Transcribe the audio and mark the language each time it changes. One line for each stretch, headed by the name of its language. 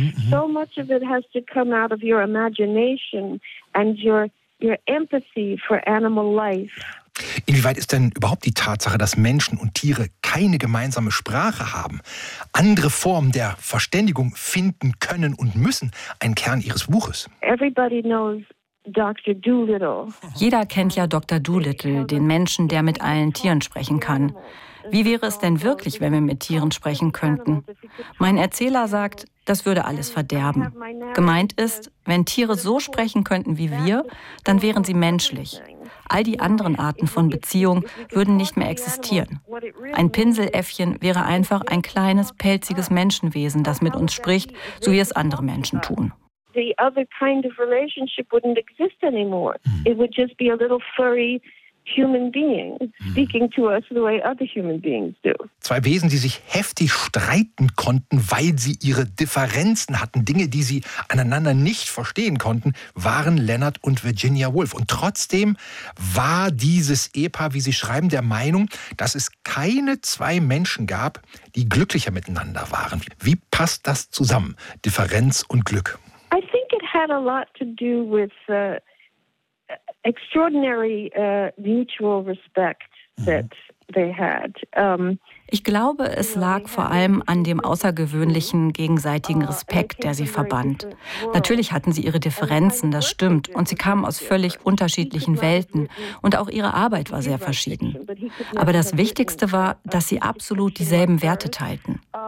English: So much of it has to come out of your imagination and your empathy for animal life.
German: Inwieweit ist denn überhaupt die Tatsache, dass Menschen und Tiere keine gemeinsame Sprache haben, andere Formen der Verständigung finden können und müssen, ein Kern ihres Buches?
English: Everybody knows Dr. Doolittle.
German: Jeder kennt ja Dr. Doolittle, den Menschen, der mit allen Tieren sprechen kann. Wie wäre es denn wirklich, wenn wir mit Tieren sprechen könnten? Mein Erzähler sagt, das würde alles verderben. Gemeint ist, wenn Tiere so sprechen könnten wie wir, dann wären sie menschlich. All die anderen Arten von Beziehung würden nicht mehr existieren. Ein Pinseläffchen wäre einfach ein kleines, pelziges Menschenwesen, das mit uns spricht, so wie es andere Menschen tun.
English: The other kind of relationship wouldn't exist anymore. It would just be a little furry human being speaking to us the way other human beings do.
German: Zwei Wesen, die sich heftig streiten konnten, weil sie ihre Differenzen hatten, Dinge, die sie aneinander nicht verstehen konnten, waren Leonard und Virginia Woolf. Und trotzdem war dieses Ehepaar, wie sie schreiben, der Meinung, dass es keine zwei Menschen gab, die glücklicher miteinander waren. Wie passt das zusammen, Differenz und Glück?
English: I think it had a lot to do with extraordinary mutual respect that they had.
German: Ich glaube, es lag vor allem an dem außergewöhnlichen gegenseitigen Respekt, der sie verband. Natürlich hatten sie ihre Differenzen, das stimmt, und sie kamen aus völlig unterschiedlichen Welten und auch ihre Arbeit war sehr verschieden. Aber das Wichtigste war, dass sie absolut dieselben Werte teilten.